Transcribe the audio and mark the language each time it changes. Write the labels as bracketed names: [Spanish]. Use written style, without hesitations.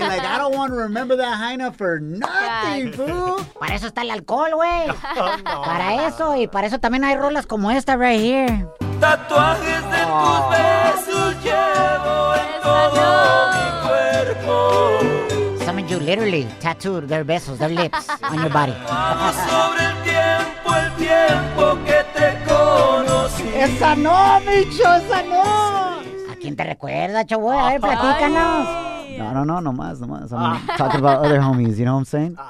[English] Like, I don't want to remember that Jaina for nothing, fool. [Spanish] Para eso está el alcohol, güey. Oh, no. Para eso, y para eso también hay rolas como esta [English] right here. [Spanish] Tatuajes de tus besos llevo en todo mi cuerpo. [English] You literally tattooed their vessels, their lips on your body. [Spanish] Sobre el tiempo que te conocí. Esa no, bicho, esa no. ¿A quién te recuerda, chavo? A ver, platícanos. No más. [English] I'm talking about other homies, you know what I'm saying?